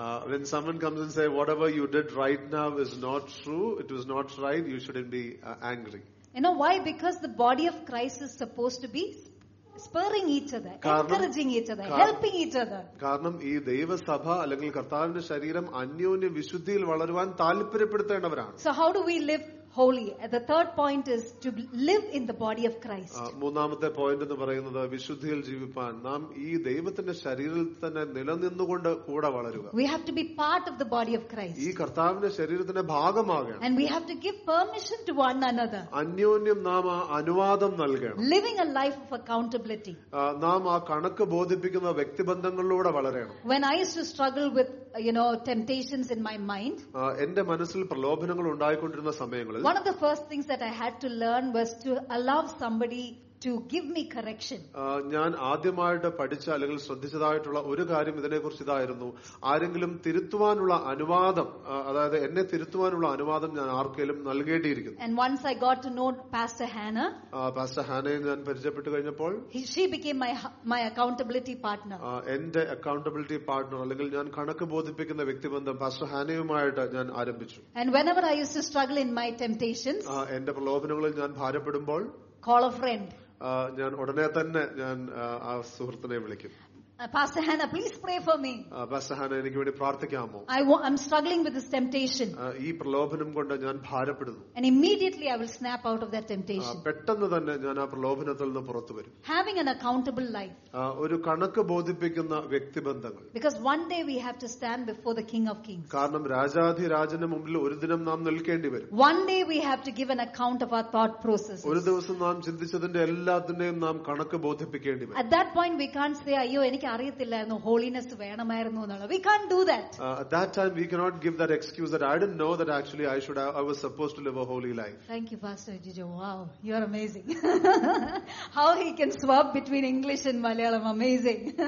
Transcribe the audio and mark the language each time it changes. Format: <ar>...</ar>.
<en>When someone comes and says, whatever you did right now is not true, it was not right, you shouldn't be angry. You know why? Because the body of Christ is supposed to be spurring each other, encouraging each other, helping each other.</en> <ml>കാരണം ഈ ദൈവസഭ അല്ലെങ്കിൽ കർത്താവിന്റെ ശരീരം അന്യോന്യം വിശുദ്ധിയിൽ വളരുവാൻ താല്പര്യപ്പെടുത്തേണ്ടവരാണ്.</ml> <en>So how do we live holy? The third point is to live in the body of Christ.</en> <ml>മൂന്നാമത്തെ പോയിന്റ് എന്ന് പറയുന്നത് വിശുദ്ധിയിൽ ജീവിപ്പാൻ നാം ഈ ദൈവത്തിന്റെ ശരീരത്തിൽ തന്നെ നിലനിന്നുകൊണ്ട് കൂടെ വളരുക.</ml> <en>We have to be part of the body of Christ.</en> <ml>ഈ കർത്താവിന്റെ ശരീരത്തിന്റെ ഭാഗമാകണം.</ml> <en>And we have to give permission to one another.</en> <ml>അന്യോന്യം നാം അനുവാദം നൽകണം.</ml> <en>Living a life of accountability.</en> <ml>നാം ആ കണക്ക് ബോധിപ്പിക്കുന്ന വ്യക്തിബന്ധങ്ങളിലൂടെ വളരണം.</ml> <en>When I used to struggle with temptations in my mind,</en> <ml>എന്റെ മനസ്സിൽ പ്രലോഭനങ്ങൾ ഉണ്ടായിക്കൊണ്ടിരുന്ന സമയങ്ങളിൽ</ml> <en>One of the first things that I had to learn was to allow somebody to give me correction.</en> <ml>ഞാൻ ആദ്യമായിട്ട് പഠിച്ച അല്ലെങ്കിൽ ശ്രദ്ധിച്ചതായിട്ടുള്ള ഒരു കാര്യം ഇതിനെക്കുറിച്ച് ഇതായിരുന്നു. ആരെങ്കിലും തിരുത്തുവാനുള്ള അനുവാദം, അതായത് എന്നെ തിരുത്തുവാനുള്ള അനുവാദം ഞാൻ ആർക്കെങ്കിലും നൽകേണ്ടിയിരിക്കുന്നു.</ml> <en>And once I got to know Pastor Hannah.</en> <ml>Pastor Hannah-യെ ഞാൻ പരിചയപ്പെട്ടു കഴിഞ്ഞപ്പോൾ</ml> <en>she became my accountability partner.</en> <ml>എന്റെ അക്കൗണ്ടബിലിറ്റി പാർട്ണർ അല്ലെങ്കിൽ ഞാൻ കണക്ക് ബോധിപ്പിക്കുന്ന വ്യക്തിബന്ധം പാസ്റ്റർ ഹാനയുമായിട്ട് ഞാൻ ആരംഭിച്ചു.</ml> <en>And whenever I used to struggle in my temptations.</en> <ml>എന്റെ പ്രലോഭനങ്ങളിൽ ഞാൻ ഭാരപ്പെടുമ്പോൾ</ml> <en>call a friend.</en> <ml>ഞാൻ ഉടനെ തന്നെ ഞാൻ ആ സുഹൃത്തിനെ വിളിക്കും.</ml> <en>Pastor Hannah, please pray for me.</en> <ml>Pastor Hannah, എനിക്ക് വേണ്ടി പ്രാർത്ഥിക്കാമോ?</ml> <en>I'm struggling with this temptation.</en> <ml>ഈ പ്രലോഭനം കൊണ്ട് ഞാൻ ഭാരപ്പെടുന്നു.</ml> <en>And immediately I will snap out of that temptation.</en> <ml>പെട്ടെന്ന് തന്നെ ഞാൻ ആ പ്രലോഭനത്തിൽ നിന്ന് പുറത്തു വരും.</ml> <en>Having an accountable life.</en> <ml>ഒരു കണക്ക് ബോധിപ്പിക്കുന്ന വ്യക്തിബന്ധങ്ങൾ.</ml> <en>Because one day we have to stand before the King of Kings.</en> <ml>കാരണം രാജാധിരാജന്റെ മുമ്പിൽ ഒരു ദിനം നാം നിൽക്കേണ്ടി വരും.</ml> <en>One day we have to give an account of our thought processes.</en> <ml>ഒരു ദിവസം നാം ചിന്തിച്ചതിന്റെ എല്ലാത്തിന്റെയും നാം കണക്ക് ബോധിപ്പിക്കേണ്ടി വരും.</ml> <en>At that point we can't say,</en> <ml>അയ്യോ എനിക്ക് അറിയത്തില്ലായിരുന്നു ഹോളിനെസ് വേണമായിരുന്നു എന്നുള്ളത്.</ml> <en>We can't do that. At that time we cannot give that excuse that I didn't know that actually I was supposed to live a holy life. Thank you, Pastor Jijo. Wow, you're amazing. How he can swap between English and Malayalam, amazing.</en>